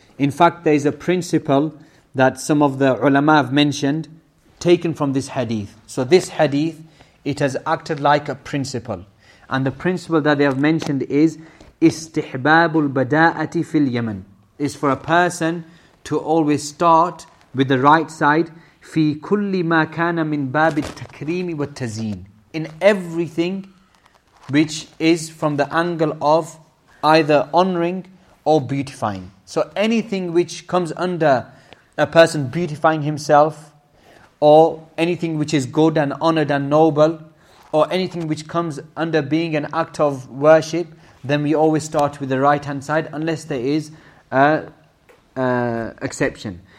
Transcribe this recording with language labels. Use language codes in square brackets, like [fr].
[en] In fact, there is a principle that some of the ulama have mentioned, taken from this hadith. So this hadith, it has acted like a principle. And the principle that they have mentioned is istihbabul bada'ati fil yaman, is for a person to always start with the right side. [ar] في كل ما كان من باب التكريم والتزين. [en] In everything which is from the angle of either honoring or beautifying. So anything which comes under a person beautifying himself, or anything which is good and honored and noble, or anything which comes under being an act of worship, then we always start with the right hand side, unless there is an exception.